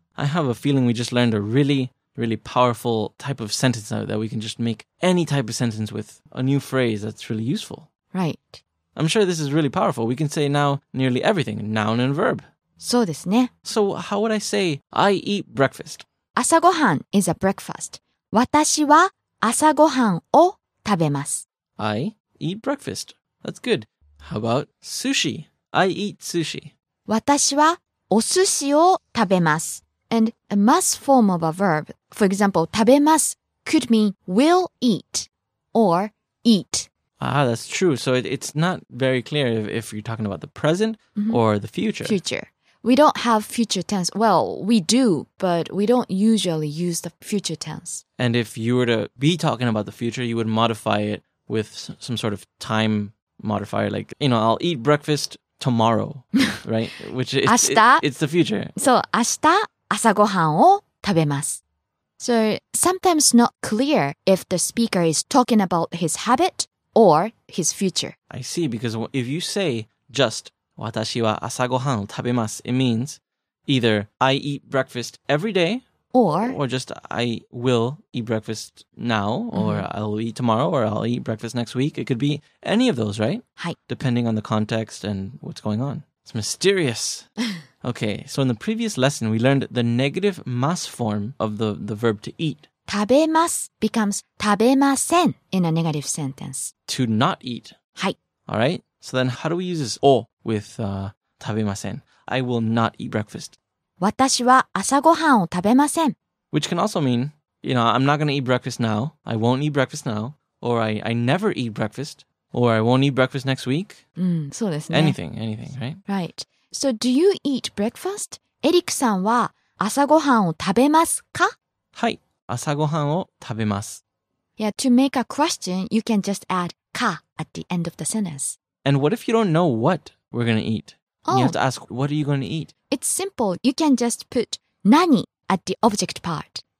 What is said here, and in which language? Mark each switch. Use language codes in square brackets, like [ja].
[en] I have a feeling we just learned a really, really powerful type of sentence that we can just make any type of sentence with a new phrase that's really useful. Right. I'm sure this is really powerful. We can say now nearly everything, noun and verb. [ja] そうですね. [en] So how would I say, I eat breakfast? 朝ごはん is a breakfast. [ja] 私は朝ごはんを食べます。 [en] I eat breakfast. That's good. How about sushi? I eat sushi. [ja] 私はお寿司を食べます。 [en] And a must form of a verb, for example, 食べます could mean will eat or eat. Ah, that's true. So it's not very clear if you're talking about the present mm-hmm. or the future. Future. We don't have future tense. Well, we do, but we don't usually use the future tense. And if you were to be talking about the future, you would modify it with some sort of time modifier. Like, you know, I'll eat breakfast tomorrow, right? Which is it's the future. [ja] So, 明日朝ごはんを食べます。 [en] So, sometimes not clear if the speaker is talking about his habit or his future. I see, because if you say just [ja] 私は朝ごはんを食べます, [en] it means either I eat breakfast every day, or just I will eat breakfast now, or mm-hmm. I'll eat tomorrow, or I'll eat breakfast next week. It could be any of those, right? Hi. Depending on the context and what's going on. It's mysterious. Okay, so in the previous lesson, we learned the negative mas form of the verb to eat. 食べます becomes 食べません in a negative sentence. To not eat. Hi. All right, so then how do we use this o with 食べません? I will not eat breakfast. [ja] 私は朝ごはんを食べません。 [en] Which can also mean, you know, I'm not going to eat breakfast now. I won't eat breakfast now. Or I never eat breakfast. Or I won't eat breakfast next week. [ja] そうですね。 [en] Anything, right? Right. So do you eat breakfast? [ja] エリックさんは朝ごはんを食べますか? はい。朝ごはんを食べます。 [en] Yeah, to make a question, you can just add かat the end of the sentence. And what if you don't know what we're going to eat? You have to ask, what are you going to eat? It's simple. You can just put 何 at the object part.